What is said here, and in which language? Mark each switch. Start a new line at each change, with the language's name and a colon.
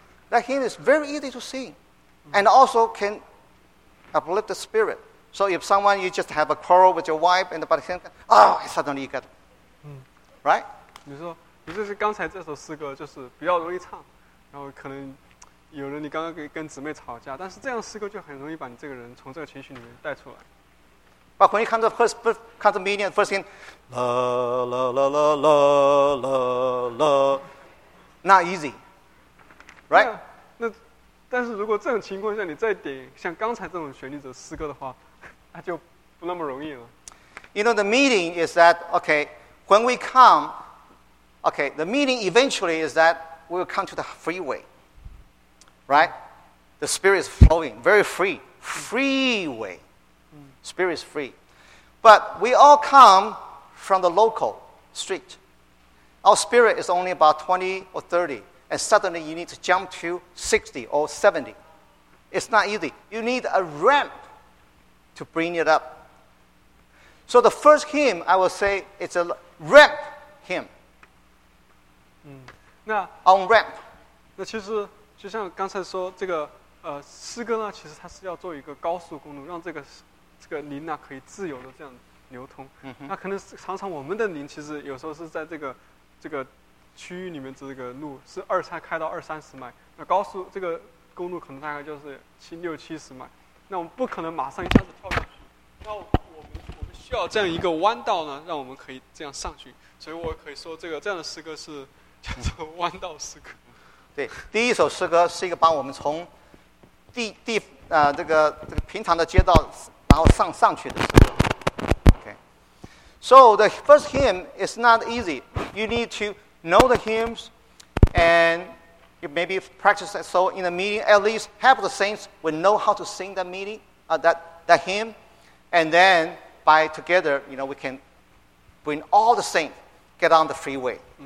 English: That hymn is very easy to sing, and also can uplift the spirit. So if someone you just have a quarrel with your wife and about him, suddenly you get right.
Chinese: 你说。尤其是刚才这首诗歌就是比较容易唱，然后可能有人你刚刚跟姊妹吵架，但是这样诗歌就很容易把你这个人从这个情绪里面带出来。
English: But when you come to the meeting, the first thing, la la la la la la la, not easy, right?
Chinese: 那但是如果这种情况下你再点像刚才这种旋律的诗歌的话，那就不那么容易了。
English: You know the meeting is that okay? When we come. Okay, the meaning eventually is that we will come to the freeway, right? The spirit is flowing, very free, freeway. Spirit is free. But we all come from the local street. Our spirit is only about 20 or 30, and suddenly you need to jump to 60 or 70. It's not easy. You need a ramp to bring it up. So the first hymn, I will say, it's a ramp hymn.
Chinese: 那
English: on ramp，
Chinese: 那其实就像刚才说这个诗歌呢，其实它是要做一个高速公路，让这个灵呢可以自由的这样流通。那可能常常我们的灵其实有时候是在这个区域里面，这个路是20-30迈，那高速这个公路可能大概就是60-70迈，那我们不可能马上一下子跳上去。那我们需要这样一个弯道呢，让我们可以这样上去。所以我可以说这样的诗歌是。叫做弯道诗歌。对，第一首诗歌是一个把我们从这个平常的街道，然后上去的诗歌。
English: Okay. So the first hymn is not easy. You need to know the hymns, and you maybe practice it. So in the meeting, at least half of the saints will know how to sing that meeting, that hymn, and then by together, you know, we can bring all the saints get on the freeway.